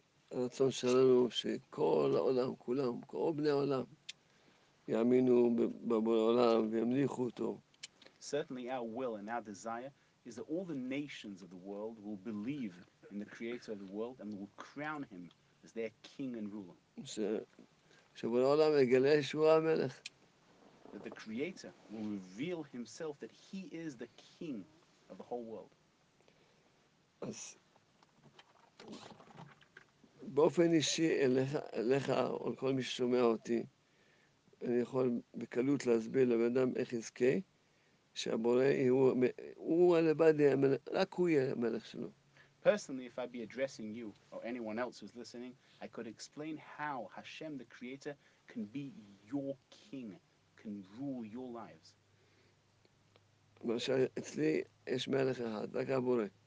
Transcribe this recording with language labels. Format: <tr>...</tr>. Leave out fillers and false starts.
<he>הרצון שלנו שכל העולם, כולם, כל בני העולם, יאמינו בבורא עולם וימליכו אותו.</he> <en>Certainly our will and our desire is that all the nations of the world will believe in the creator of the world and will crown him as their king and ruler.</en> <he>שבורא עולם יגלה שהוא המלך.</he> <en>That the creator will reveal himself that he is the king of the whole world.</en> <he>אז באופן אישי אליך או לכל מי ששומע אותי, אני יכול בקלות להסביר לבן אדם איך יזכה שהבורא הוא הלבד, רק הוא יהיה המלך שלו.</he> <en>Personally, if I'd be addressing you or anyone else who's listening, I could explain how Hashem the Creator can be your king, can rule your lives.</en> <he>למשל, אצלי יש מלך אחד, רק הבורא.</he>